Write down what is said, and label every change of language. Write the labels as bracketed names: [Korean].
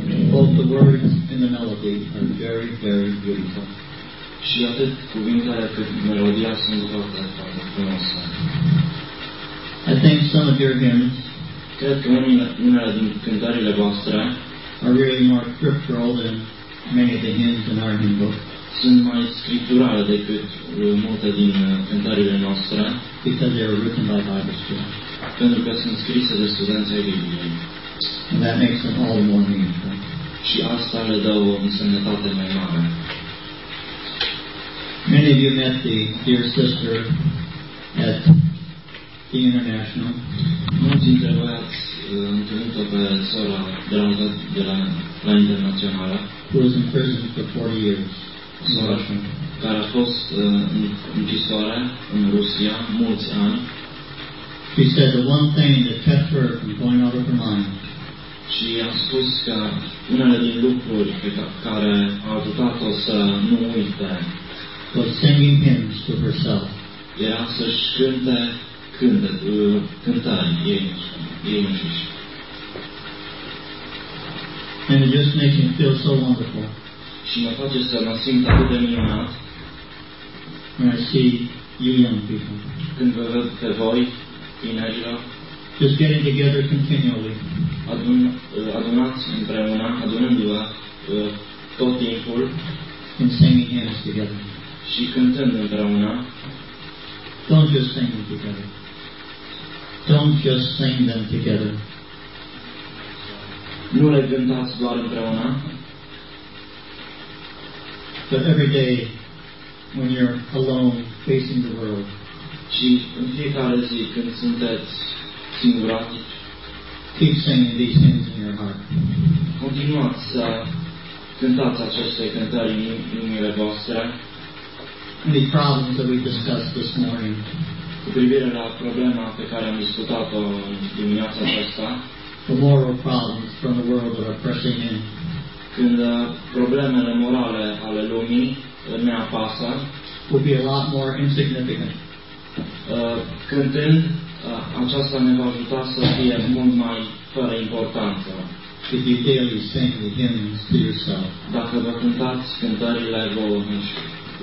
[English] Both the words and the melody are very, very beautiful. [Romanian] Și atât cuvintele cât melodia sunt foarte, foarte frumoase. [English] I think some of your hymns, [Romanian] cred că unele din cântările voastre, [English] are really more scriptural than many of the hymns in our hymn book. [Romanian] Sunt mai scripturale decât multe din cântările noastre. [English] Because they are written by Bible students. [Romanian] Pentru că sunt scrise de studenți ai Bibliei. [English] And that makes them all the more meaningful. [Romanian] Și asta le dă o însemnătate mai mare. [English] Many of you met the dear sister at the International. [Romanian] Mulți dintre voi ați întâlnit-o pe sora dragă de la Internațională. [English] Who was in prison for 40 years. [Romanian] Sora Shun. Care a fost închisoare în Rusia mulți ani. [English] She said the one thing that kept her from going out of her mind. [Romanian] Și a spus că unele din lucruri pe care au ajutat-o să nu uite [English] was singing hymns to herself. [Romanian] Era să-și cânte cântări ei înșiși. [English] And it just makes me feel so wonderful. [Romanian] Și mă face să mă simt atât de minunat [English] when I see you young people. [Romanian] Când vă văd pe voi, tinerilor, [English] just getting together continually. [Romanian] Adunați împreună, adunându-vă tot timpul [English] and singing hymns together. [Romanian] Și cântând împreună. [English] Don't just sing them together. Don't just sing them together. [Romanian] Nu le cântați doar împreună. [English] But every day when you're alone facing the world. [Romanian] Și în fiecare zi când sunteți singurați. [English] Keep singing these things in your heart. [Romanian] Continuați să cântați aceste cântări în inimile voastre. [English] And the problems that we discussed this morning. [Romanian] Cu privire la problema pe care am discutat-o dimineața aceasta. [English] The moral problems from the world that are pressing in. [Romanian] Când problemele morale ale lumii ne apasă. [English] Would be a lot more insignificant. [Romanian] Cântând, aceasta ne va ajuta să fie mult mai fără importanță. [English] If you daily sing the hymns to yourself. [Romanian] Dacă vă cântați cântările vouă înșiși.